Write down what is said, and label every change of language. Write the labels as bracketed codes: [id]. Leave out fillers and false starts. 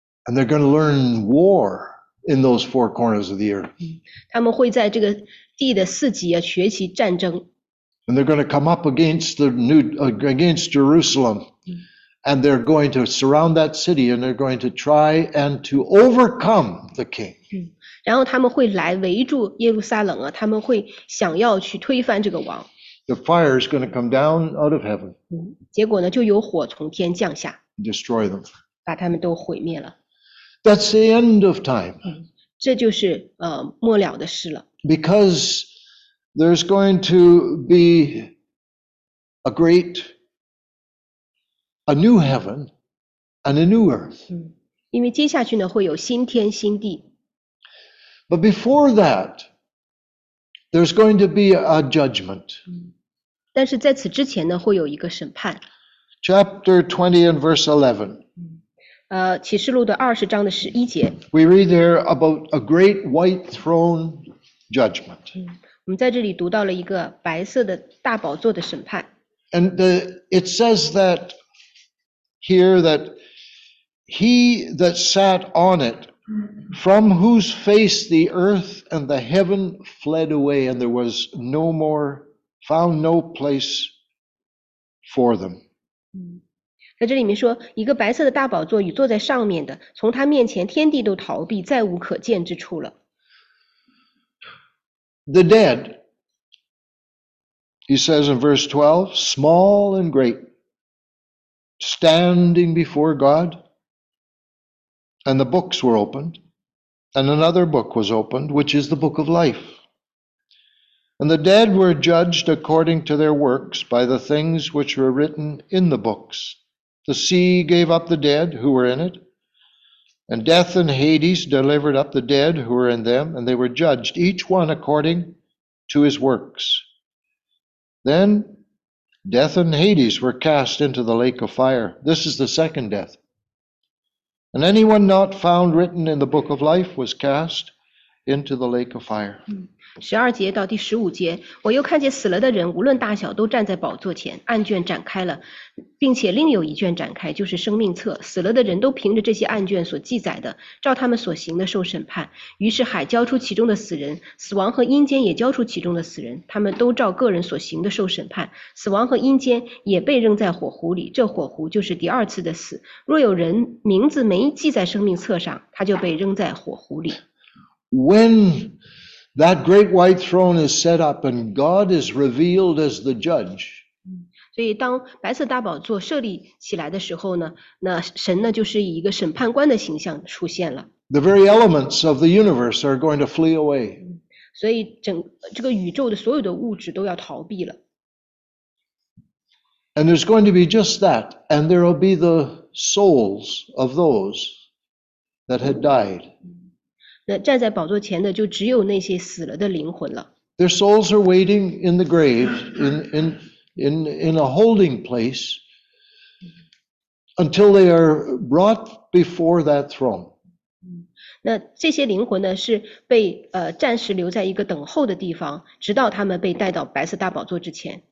[en] And they're going to learn war. In those four corners of the earth, [zh] 他们会在这个地的四极啊学习战争。 [en] And they're going to come up against Jerusalem, And they're going to surround that city and they're going to try and to overcome the king. [zh] 然后他们会来围住耶路撒冷啊，他们会想要去推翻这个王。 [en] The fire is going to come down out of heaven. [zh] 结果呢，就有火从天降下。 [en] Destroy them. [zh] 把他们都毁灭了。 [en] That's the end of time. [zh] 这就是末了的事了。 [en] Because there's going to be a great, a new heaven and a new earth. [zh] 因为接下去呢，会有新天新地。 [en] But before that, there's going to be a judgment. [zh] 但是在此之前呢，会有一个审判。 [en] Chapter 20 and verse 11. [zh] 启示录的二十章的十一节。 [en] We read there about a great white throne judgment. [zh] 我们在这里读到了一个白色的大宝座的审判。 [en] And it says that here that he that sat on it from whose face the earth and the heaven fled away, and there was no more, found no place for them. [zh] 在这里面说，一个白色的大宝座与坐在上面的，从他面前天地都逃避，再无可见之处了。 [en] The dead, he says in verse 12, small and great, standing before God,And the books were opened, and another book was opened, which is the book of life. And the dead were judged according to their works by the things which were written in the books. The sea gave up the dead who were in it, and death and Hades delivered up the dead who were in them, and they were judged, each one according to his works. Then death and Hades were cast into the lake of fire. This is the second death. And anyone not found written in the book of life was cast into the lake of fire. [zh] 十二节到第十五节，我又看见死了的人，无论大小，都站在宝座前。案卷展开了，并且另有一卷展开，就是生命册。死了的人都凭着这些案卷所记载的，照他们所行的受审判。于是海交出其中的死人，死亡和阴间也交出其中的死人，他们都照个人所行的受审判。死亡和阴间也被扔在火湖里，这火湖就是第二次的死。若有人名字没记在生命册上，他就被扔在火湖里。 [en] When that great white throne is set up and God is revealed as the judge. [zh] 所以当白色大宝座设立起来的时候呢，那神呢就是以一个审判官的形象出现了。 [en] The very elements of the universe are going to flee away. [zh] 所以整这个宇宙的所有的物质都要逃避了。 [en] And there's going to be just that, and there will be the souls of those that had died. [zh] 那站在宝座前的就只有那些死了的灵魂了。 [en] Their souls are waiting in the grave, in a holding place, until they are brought before that throne. [zh] 那这些灵魂呢是被暂时留在一个等候的地方，直到他们被带到白色大宝座之前。